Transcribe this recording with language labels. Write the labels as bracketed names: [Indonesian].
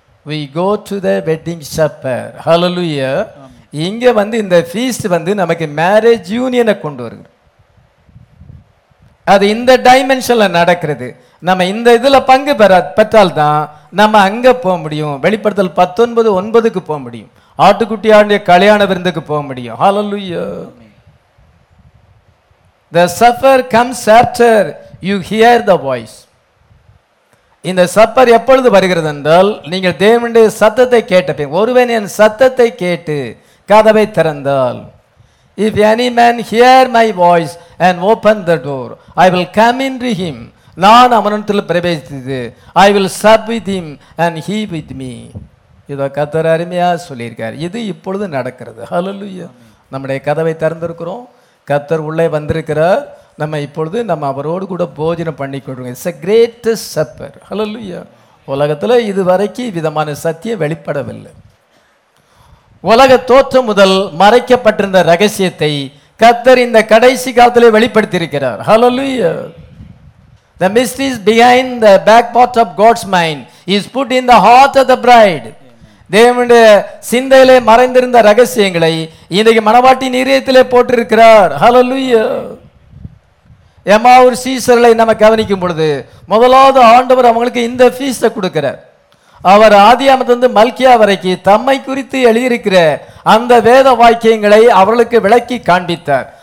[English] We go to the wedding supper. [Tamil] ஹல்லேலூயா. இங்கே வந்து இந்த ஃபீஸ்ட் வந்து நமக்கு மேரேஜ் யூனியனை கொண்டு வருது. அது இந்த டைமென்ஷனில் நடக்கிறது. நம்ம இந்த இதில் பங்கு பெற்றால் தான் நம்ம அங்கே போக முடியும். வெளிப்படுத்தல் 19:9 போக முடியும். ஆட்டுக்குட்டியாண்டிய கல்யாண விருந்துக்கு போக முடியும். ஹல்லேலூயா. [English] The supper comes after you hear the voice. [Tamil] இந்த சப்பர் எப்பொழுது வருகிறது என்றால் நீங்கள் தேவனுடைய சத்தத்தை கேட்ட, ஒருவன் என் சத்தத்தை கேட்டு கதவை திறந்தால். [English] If any man hear my voice and open the door. I will come into him. [Tamil] நான் அவனிடத்தில் பிரவேசித்து [English] I will serve with him and he with me. [Tamil] இதோ கர்த்தர் அருமையாக சொல்லியிருக்கார். இது இப்பொழுது நடக்கிறது. ஹல்லேலூயா. நம்முடைய கதவை திறந்திருக்கிறோம். கர்த்தர் உள்ளே வந்திருக்கிறார். நம்ம இப்பொழுது நம்ம அவரோடு கூட போஜனம் பண்ணி கொடுங்க. [English] It's a greatest supper. [Tamil] ஹல்லேலூயா. உலகத்தில் இது வரைக்கும் விதமான சத்தியம் வெளிப்படவில்லை. உலக தோற்றம் முதல் மறைக்கப்பட்டிருந்த ரகசியத்தை கர்த்தர் இந்த கடைசி காலத்தில் வெளிப்படுத்தியிருக்கிறார். ஹல்லேலூயா. [English] The mysteries behind the back part of God's mind is put in the heart of the bride. [Tamil] தேவனுடைய சிந்தையிலே மறைந்திருந்த ரகசியங்களை இன்றைக்கு மனவாட்டின் இதயத்திலே போட்டிருக்கிறார். ஹல்லேலூயா. எம்மாவூர் சீசர்களை நம்ம கவனிக்கும் பொழுது முதலாவது ஆண்டவர் அவங்களுக்கு இந்த ஃபீஸ்டை கொடுக்கிறார். அவர் ஆதியாமத்திலிருந்து மல்கியா வரைக்கும் தம்மை குறித்து எழுதியிருக்கிற அந்த வேத வாக்கியங்களை அவர்களுக்கு விளக்கி காண்பித்தார்.